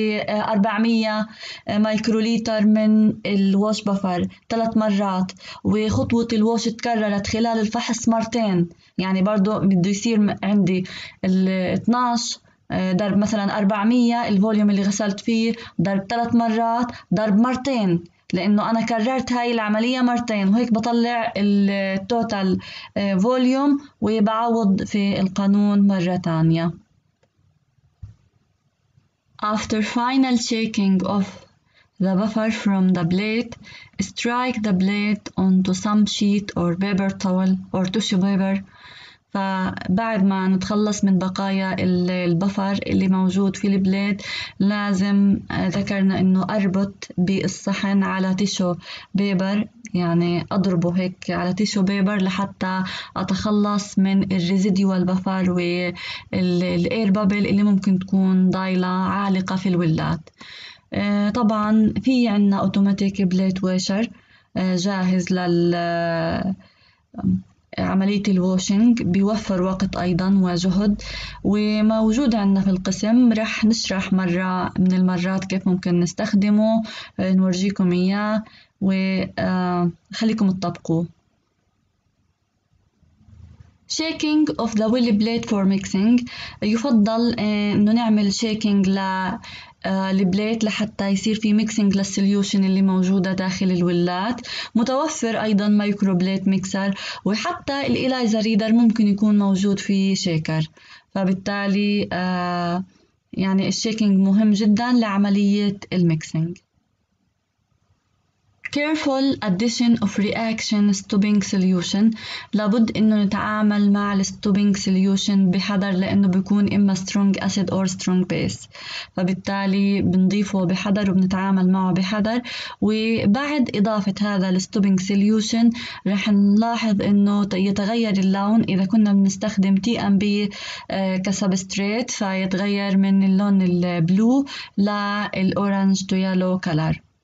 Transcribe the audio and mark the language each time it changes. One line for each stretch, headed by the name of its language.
Arabic: 400 مايكروليتر من الواش بافر 3 مرات، وخطوه الواش تكررت خلال الفحص مرتين، يعني برضو بده يصير عندي ال 12 ضرب مثلا 400 الفوليوم اللي غسلت فيه ضرب 3 مرات ضرب مرتين، لأنه أنا كررت هاي العملية مرتين، وهيك بطلع التوتال فوليوم وبعوض في القانون مرة تانية.
English: After final shaking of the buffer from the blade, strike the blade onto some sheet or paper towel or tissue paper.
Arabic: فبعد ما نتخلص من بقايا البفر اللي موجود في البلاد، لازم ذكرنا انه اربط بالصحن على تيشو بيبر، يعني اضربه هيك على تيشو بيبر لحتى اتخلص من الريزيديوال بفر والاير بابل اللي ممكن تكون ضايلة عالقة في الولات. طبعا في عنا اوتوماتيك بليت واشر جاهز لل عملية الواشنج، بيوفر وقت أيضا وجهد، وموجود عندنا في القسم، رح نشرح مرة من المرات كيف ممكن نستخدمه، نورجيكم إياه وخليكم تطبقوه.
English: Shaking of the willy blade for mixing.
Arabic: يفضل إنه نعمل shaking للبليت لحتى يصير في ميكسينج للسوليوشن اللي موجودة داخل الولات. متوفر أيضا مايكرو بليت ميكسر، وحتى الإلايزا ريدر ممكن يكون موجود في شيكر، فبالتالي يعني الشيكينج مهم جدا لعملية الميكسينج.
English: Careful addition of reaction stopping solution.
Arabic: لابد إنه نتعامل مع stopping solution بحذر، لأنه بيكون إما
English: strong acid or strong base،
Arabic: فبالتالي بنضيفه بحذر وبنتعامل معه بحذر. وبعد إضافة هذا stopping solution رح نلاحظ إنه يتغير اللون، إذا كنا بنستخدم TMB كsubstrate فيتغير من اللون البلو للأورانج
English: to yellow color.